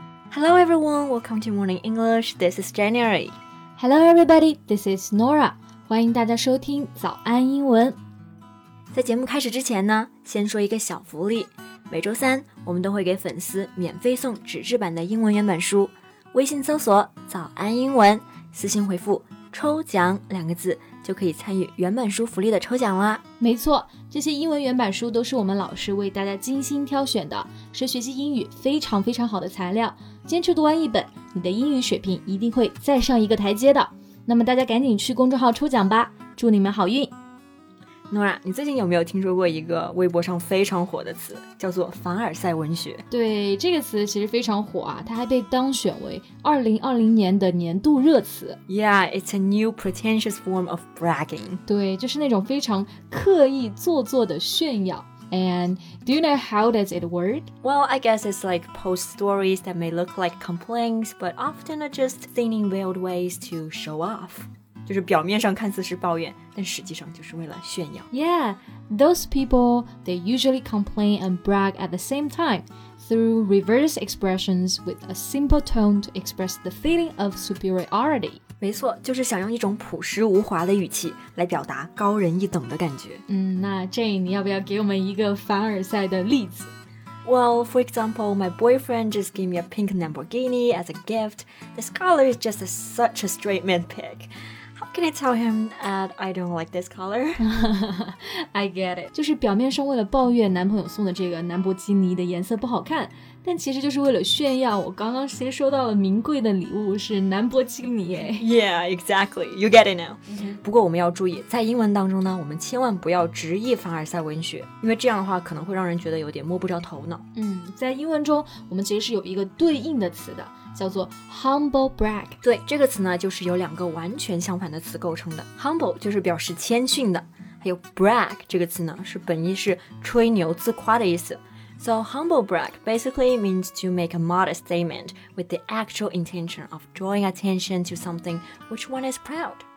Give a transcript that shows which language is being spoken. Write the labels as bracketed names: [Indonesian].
[English] Hello everyone, welcome to Morning English, this is January. Hello everybody, this is Nora. [Chinese] 欢迎大家收听早安英文。在节目开始之前呢，先说一个小福利。每周三，我们都会给粉丝免费送纸质版的英文原版书。微信搜索早安英文，私信回复抽奖两个字，就可以参与原版书福利的抽奖啦。没错，这些英文原版书都是我们老师为大家精心挑选的，是学习英语非常非常好的材料。坚持读完一本，你的英语水平一定会再上一个台阶的。那么大家赶紧去公众号抽奖吧，祝你们好运。 Nora， 你最近有没有听说过一个微博上非常火的词，叫做凡尔赛文学？对，这个词其实非常火啊，它还被当选为2020年的年度热词。 [English] Yeah, it's a new pretentious form of bragging. [Chinese] 对，就是那种非常刻意做作的炫耀。 [English] And do you know how does it work? Well, I guess it's like post stories that may look like complaints, but often are just thinly veiled ways to show off. [Chinese] 就是表面上看似是抱怨，但实际上就是为了炫耀。 [English] Yeah, those people, they usually complain and brag at the same time through reverse expressions with a simple tone to express the feeling of superiority. [Chinese] 没错，就是想用一种朴实无华的语气来表达高人一等的感觉。那 Jane, 你要不要给我们一个凡尔赛的例子？ [English] Well, for example, my boyfriend just gave me a pink Lamborghini as a gift. This color is just such a straight man pick. How can I tell him that I don't like this color? I get it. [Chinese] 就是表面上为了抱怨男朋友送的这个兰博基尼的颜色不好看，但其实就是为了炫耀我刚刚先收到了名贵的礼物是兰博基尼。 [English] Yeah, exactly. You get it now. [Chinese] 不过我们要注意，在英文当中呢，我们千万不要直译凡尔赛文学，因为这样的话可能会让人觉得有点摸不着头脑。在英文中我们其实是有一个对应的词的，叫做 humble brag。对，这个词呢就是由两个完全相反的词构成的。 humble 就是表示谦逊的，还有 brag 这个词呢是本意是吹牛自夸的意思。 [English] So humble brag basically means to make a modest statement with the actual intention of drawing attention to something which one is proud。